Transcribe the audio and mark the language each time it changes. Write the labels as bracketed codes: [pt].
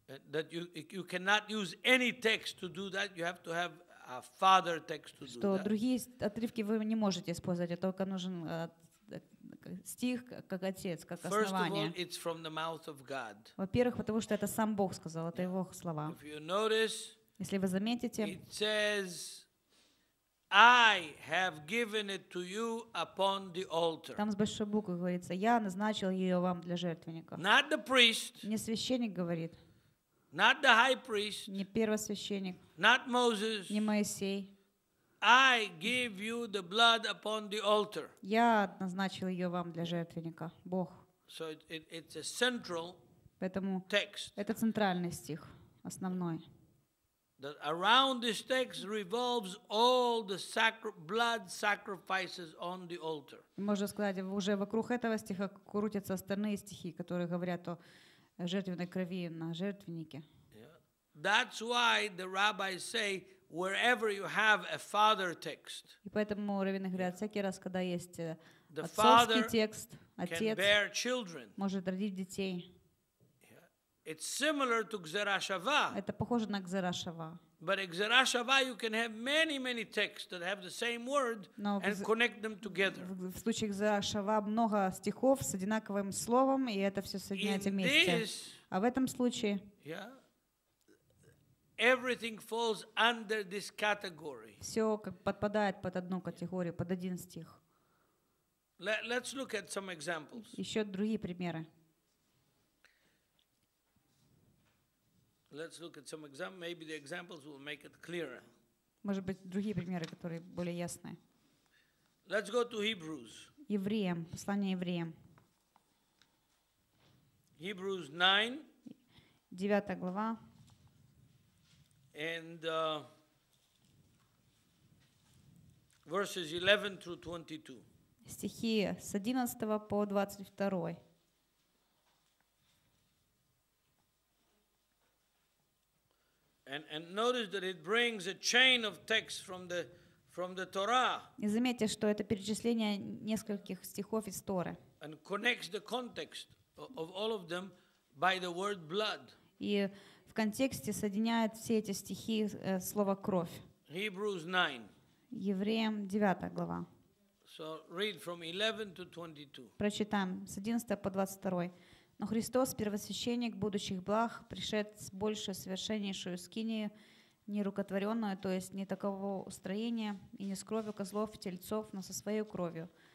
[en] That you cannot use any text to do that. You have to have a father text to do that. [ru] Что другие отрывки вы не можете использовать, а только нужен стих как отец, как основание. [en] First of all, it's from the mouth of God. [ru] Во-первых, потому что это сам Бог сказал, это его слова. [en] If you notice, [ru] если вы заметите, [en] it says, I have given it to you upon the altar. [ru] Там с большой буквы говорится, я назначил ее вам для жертвенника. [en] Not the priest. [ru] Не священник говорит. [en] Not the high priest. [ru] Не первосвященник. [en] Not Moses. [ru] Не Моисей. [en] I give you the blood upon the altar. [ru] Я назначил ее вам для жертвенника, Бог. [en] So it's a central [ru] поэтому [en] text. [ru] Это центральный стих, основной. [en] That around this text revolves all the blood sacrifices on the altar. [ru] Можно сказать, уже вокруг этого стиха крутятся остальные стихи, которые говорят о жертвенной крови на жертвеннике. [en] That's why the rabbis say wherever you have a father text. [ru] И поэтому раввины говорят, всякий раз, когда есть отцовский текст, отец может родить детей. [en] It's similar to Gzera Shava. [ru] Это похоже на Gzera Shava. [en] But in Gzera Shava you can have many, many texts that have the same word and connect them together. [ru] В случае Gzera Shava много стихов с одинаковым словом, и это все соединяется вместе. А в этом случае [en] everything falls under this category. [ru] Все как подпадает под одну категорию, под один стих. [en] Let's look at some examples. [ru] Еще другие примеры. [en] Let's look at some examples. Maybe the examples will make it clearer. [ru] Может быть, другие примеры, которые более ясны. [en] Let's go to Hebrews. [ru] Евреям, послание евреям. [en] Hebrews 9. [ru] 9 глава. [en] And verses 11 through 22. [ru] Стихи с 11 по 22. [en] And notice that it brings a chain of text from the Torah. [ru] И заметьте, что это перечисление нескольких стихов из Торы. [en] And connects the context of all of them by the word blood. [ru] И в контексте соединяет все эти стихи слово кровь. [en] Hebrews 9. [ru] Евреям 9 глава. [en] So read from 11 to 22. [ru] Прочитаем с 11 по 22. Но Христос, первосвященник будущих благ, пришед с больше совершеннейшую скинию, нерукотворенную, то есть не такового устроения, и не с кровью козлов и тельцов, но со своей кровью.